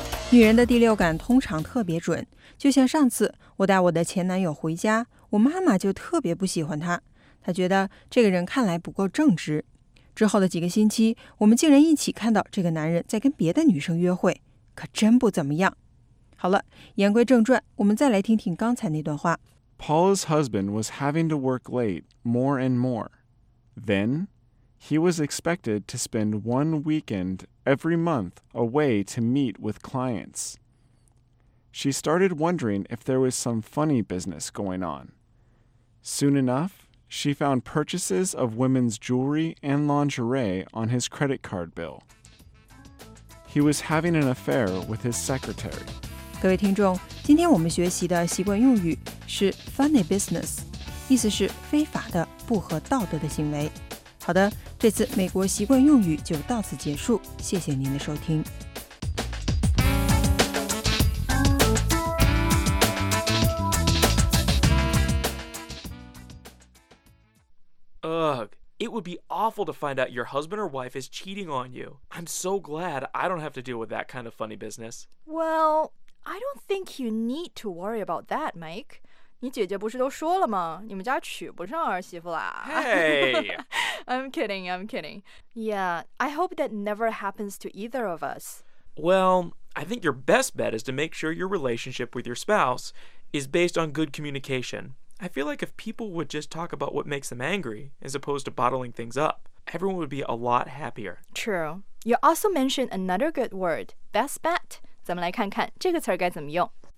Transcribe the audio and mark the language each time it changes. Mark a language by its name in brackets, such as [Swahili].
[Chinese] 女人的第六感通常特别准，就像上次我带我的前男友回家，我妈妈就特别不喜欢他，她觉得这个人看来不够正直。之后的几个星期，我们竟然一起看到这个男人在跟别的女生约会，可真不怎么样。好了，言归正传，我们再来听听刚才那段话。 [English] Paula's husband was having to work late more and more. Then, he was expected to spend one weekend every month away to meet with clients. She started wondering if there was some funny business going on. Soon enough, she found purchases of women's jewelry and lingerie on his credit card bill. He was having an affair with his secretary. [Chinese] 各位听众，今天我们学习的习惯用语是 funny business， 意思是非法的、不合道德的行为。好的，这次美国习惯用语就到此结束，谢谢您的收听。 [English] Ugh, it would be awful to find out your husband or wife is cheating on you. I'm so glad I don't have to deal with that kind of funny business. Well, I don't think you need to worry about that, Mike. [Chinese] 你姐姐不是都说了吗？你们家娶不上儿媳妇啦。 [English] Hey! I'm kidding, I'm kidding. Yeah, I hope that never happens to either of us. Well, I think your best bet is to make sure your relationship with your spouse is based on good communication. I feel like if people would just talk about what makes them angry, as opposed to bottling things up, everyone would be a lot happier. True. You also mentioned another good word, best bet. [Chinese] 咱们来看看这个词该怎么用。